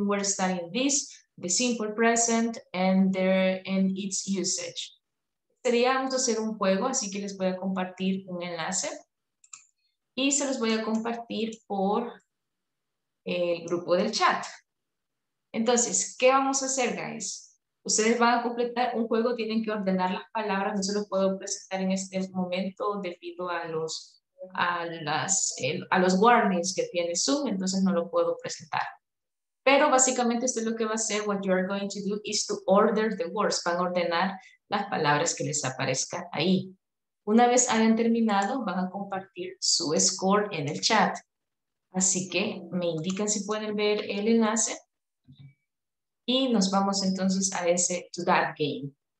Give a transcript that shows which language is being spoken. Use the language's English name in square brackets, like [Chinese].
[English] We were studying this, the simple present and there and its usage. [Spanish] Queríamos hacer un juego, así que les voy a compartir un enlace y se los voy a compartir por el grupo del chat. Entonces, ¿qué vamos a hacer, guys? Ustedes van a completar un juego, tienen que ordenar las palabras, no se los puedo presentar en este momento debido a los warnings que tiene Zoom, entonces no lo puedo presentar. Pero básicamente esto es lo que va a hacer. [English] What you are going to do is to order the words. [Spanish] Van a ordenar las palabras que les aparezca ahí. Una vez hayan terminado, van a compartir su score en el chat. Así que me indican si pueden ver el enlace. Y nos vamos entonces a ese [English] to that game.